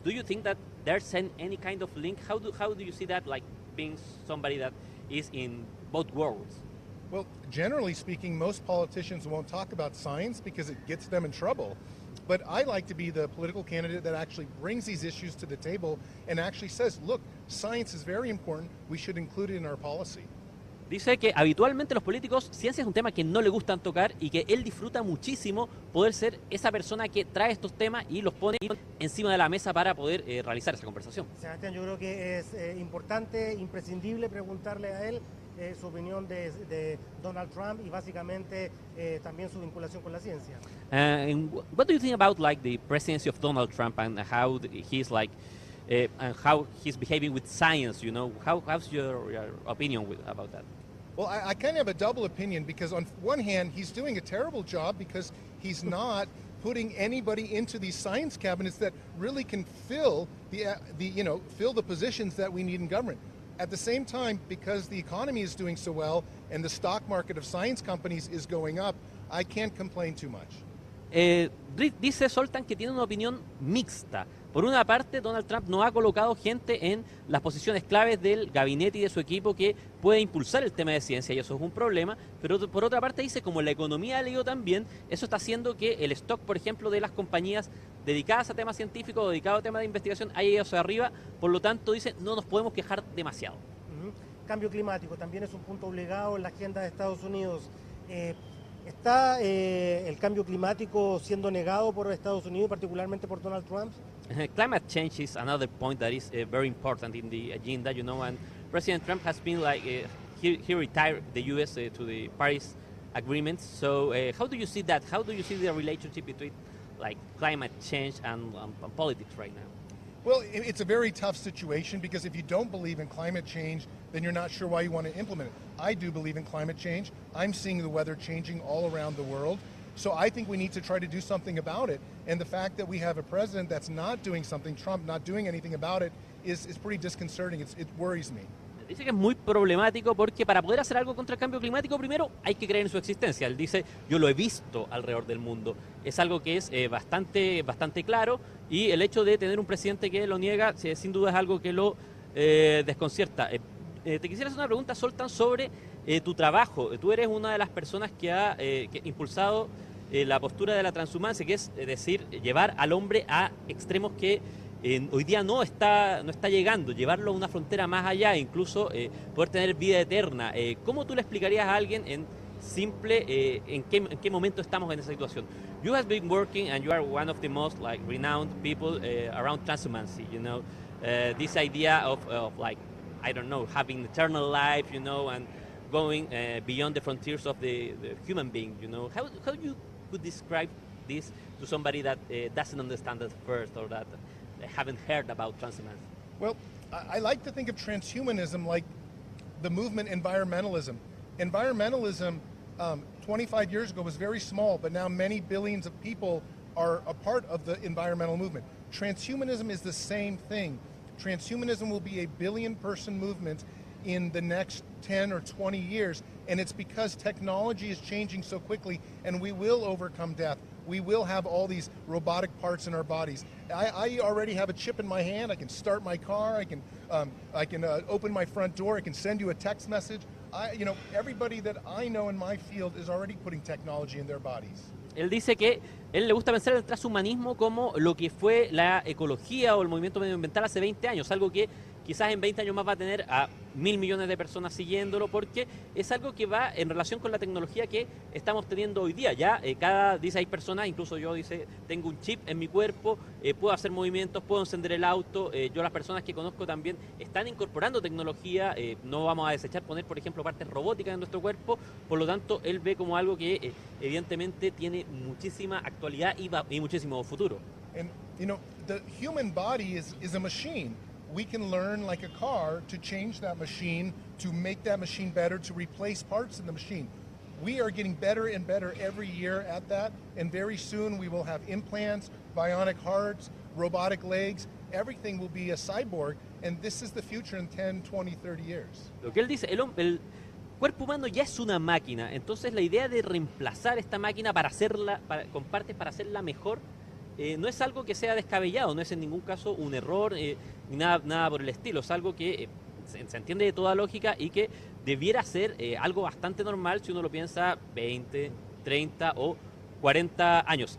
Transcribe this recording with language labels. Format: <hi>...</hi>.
<en>Do you think that there's any kind of link? How do you see that, like being somebody that is in both worlds? Well, generally speaking, most politicians won't talk about science because it gets them in trouble. But I like to be the political candidate that actually brings these issues to the table and actually says, look, science is very important, we should include it in our policy.</en> <es>Dice que habitualmente los políticos, ciencia es un tema que no le gustan tocar y que él disfruta muchísimo poder ser esa persona que trae estos temas y los pone encima de la mesa para poder realizar esa conversación. Sebastián, yo creo que es importante, imprescindible preguntarle a él su opinión de Donald Trump y básicamente también su vinculación con la ciencia.</es> <en>What do you think about like the presidency of Donald Trump and how he's like and how he's behaving with science? You know, how's your opinion about that? Well, I kind of have a double opinion because on one hand he's doing a terrible job because he's not putting anybody into these science cabinets that really can fill fill the positions that we need in government. At the same time, because the economy is doing so well and the stock market of science companies is going up, I can't complain too much.</en> <es>Dice Zoltán que tiene una opinión mixta. Por una parte, Donald Trump no ha colocado gente en las posiciones claves del gabinete y de su equipo que puede impulsar el tema de ciencia, y eso es un problema. Pero por otra parte, dice, como la economía ha leído también, eso está haciendo que el stock, por ejemplo, de las compañías dedicadas a temas científicos o dedicadas a temas de investigación haya ido hacia arriba. Por lo tanto, dice, no nos podemos quejar demasiado. Cambio climático también es un punto obligado en la agenda de Estados Unidos. ¿Está el cambio climático siendo negado por Estados Unidos, particularmente por Donald Trump?</es> <en>Climate change is another point that is very important in the agenda, you know, and President Trump has been like, he retired the U.S. To the Paris Agreement. So how do you see that? How do you see the relationship between like climate change and politics right now? Well, it's a very tough situation because if you don't believe in climate change, then you're not sure why you want to implement it. I do believe in climate change. I'm seeing the weather changing all around the world. So I think we need to try to do something about it. And the fact that we have a president that's not doing something, Trump not doing anything about it, is pretty disconcerting. It worries me.</en> <es>Dice que es muy problemático porque para poder hacer algo contra el cambio climático, primero hay que creer en su existencia. Él dice, yo lo he visto alrededor del mundo. Es algo que es bastante claro, y el hecho de tener un presidente que lo niega, sin duda es algo que lo desconcierta. Te quisiera hacer una pregunta, Zoltán, sobre tu trabajo. Tú eres una de las personas que ha impulsado la postura de la transhumancia, que es decir, llevar al hombre a extremos que hoy día no está llegando, llevarlo a una frontera más allá, incluso poder tener vida eterna. ¿Cómo tú le explicarías a alguien en simple en qué momento estamos en esa situación.</es> <en>You have been working and you are one of the most like renowned people around transhumancy, you know. This idea of like, I don't know, having eternal life, you know, and going beyond the frontiers of the human being, you know. How you could describe this to somebody that doesn't understand at first or that haven't heard about transhumanism? Well, I like to think of transhumanism like the movement environmentalism. Environmentalism 25 years ago was very small, but now many billions of people are a part of the environmental movement. Transhumanism is the same thing. Transhumanism will be a billion person movement in the next 10 or 20 years, and it's because technology is changing so quickly, and we will overcome death. We will have all these robotic parts in our bodies. I already have a chip in my hand. I can start my car. I can open my front door. I can send you a text message. Everybody that I know in my field is already putting technology in their bodies.</en> <es>Él dice que él le gusta pensar el transhumanismo como lo que fue la ecología o el movimiento medioambiental hace 20 años, algo que quizás en 20 años más va a tener a 1,000,000,000 de personas siguiéndolo, porque es algo que va en relación con la tecnología que estamos teniendo hoy día. Ya cada 16 personas, incluso yo, dice, tengo un chip en mi cuerpo, puedo hacer movimientos, puedo encender el auto. Yo, las personas que conozco también están incorporando tecnología. No vamos a desechar poner, por ejemplo, partes robóticas en nuestro cuerpo. Por lo tanto, él ve como algo que evidentemente tiene muchísima actualidad y muchísimo futuro.</es> <en>The human body is a machine. We can learn like a car to change that machine, to make that machine better, to replace parts in the machine. We are getting better and better every year at that, and very soon we will have implants, bionic hearts, robotic legs. Everything will be a cyborg, and this is the future in 10, 20, 30 years.</en> <es>Lo que él dice, el cuerpo humano ya es una máquina, entonces la idea de reemplazar esta máquina para hacerla, con partes para hacerla mejor, no es algo que sea descabellado, no es en ningún caso un error, ni nada por el estilo. Es algo que se entiende de toda lógica y que debiera ser algo bastante normal si uno lo piensa 20, 30 o 40 años.</es>